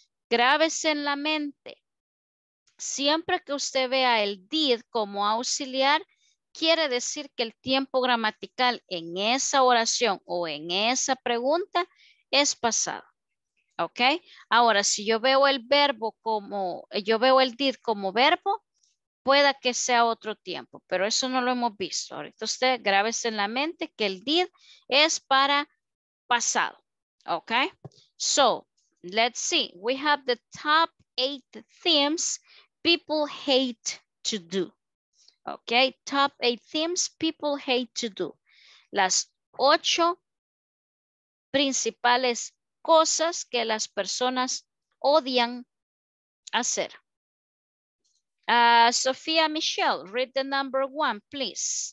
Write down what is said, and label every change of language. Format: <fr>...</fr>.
<es>Grábese en la mente. Siempre que usted vea el did como auxiliar, quiere decir que el tiempo gramatical en esa oración o en esa pregunta es pasado, ¿ok? Ahora, si yo veo el verbo como, yo veo el did como verbo, pueda que sea otro tiempo, pero eso no lo hemos visto. Ahorita usted grábese en la mente que el did es para pasado, ¿ok?</es> <en>So, let's see. We have the top 8 themes people hate to do, Okay, top 8 things people hate to do.</en> <es>Las 8 principales cosas que las personas odian hacer.</es> <en>Sofía Michelle, read the number 1, please.</en>